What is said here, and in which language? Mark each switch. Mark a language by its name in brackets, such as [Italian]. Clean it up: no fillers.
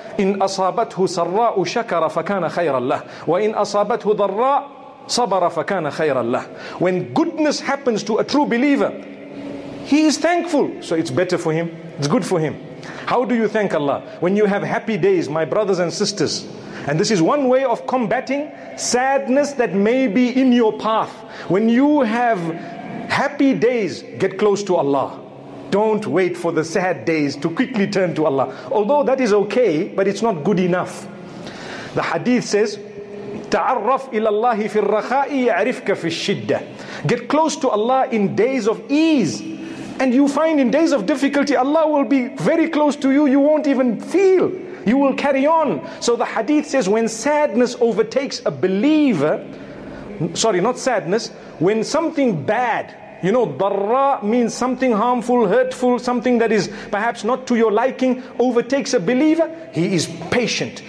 [Arabic] إن أصابته سراء شكر فكان خيرا له وإن أصابته ضراء صبر فكان خيرا له. [English] When goodness happens to a true believer, he is thankful. So it's better for him. It's good for him. How do you thank Allah? When you have happy days, my brothers and sisters, and this is one way of combating sadness that may be in your path. When you have happy days, get close to Allah. Don't wait for the sad days to quickly turn to Allah. Although that is okay, but it's not good enough. The hadith says, [Arabic] تعرف إلى الله في الرخاء يعرفك في الشدة. [English] Get close to Allah in days of ease. And you find in days of difficulty, Allah will be very close to you. You won't even feel. You will carry on. So the hadith says, when sadness overtakes a believer, sorry, not sadness, when something bad, you know, darra means something harmful, hurtful, something that is perhaps not to your liking, overtakes a believer, he is patient.